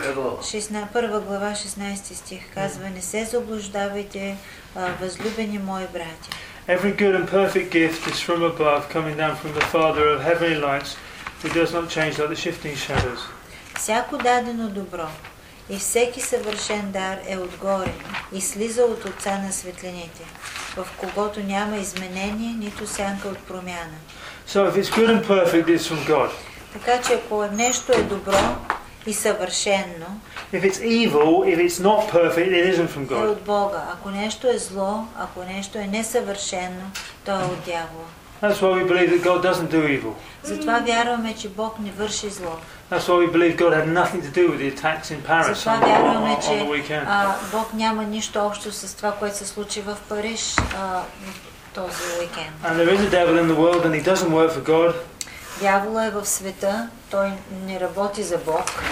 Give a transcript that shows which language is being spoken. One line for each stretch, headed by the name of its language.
Bulgarian: 1 глава, 16 стих казва, не се заблуждавайте, възлюбени мои братя.
English: Every good and perfect gift is from above, coming down from the Father of heavenly lights, who does not change like the shifting shadows.
Bulgarian: Всяко дадено добро и всеки съвършен дар е отгоре и слиза от Отца на светлините, в когото няма изменение, нито сянка от промяна.
English: So if it's good and perfect, it's from God.
Bulgarian: Така че ако нещо е добро и съвършено,
English: if it's evil, if it's not perfect, it isn't from God.
Bulgarian: Е от Бога. Ако нещо е зло, ако нещо е несъвършено, то е от дявола.
English: That's why we believe that God doesn't do evil.
Bulgarian: Затова вярваме, че Бог не върши зло.
English: That's why we believe God had nothing to do with the attacks in Paris.
Bulgarian: Затова вярваме, че Бог няма нищо общо с това, което се случи в Париж този уикенд.
English: And there is a devil in the world and he doesn't work for God.
Bulgarian: Дяволът е в света, той не работи за Бог.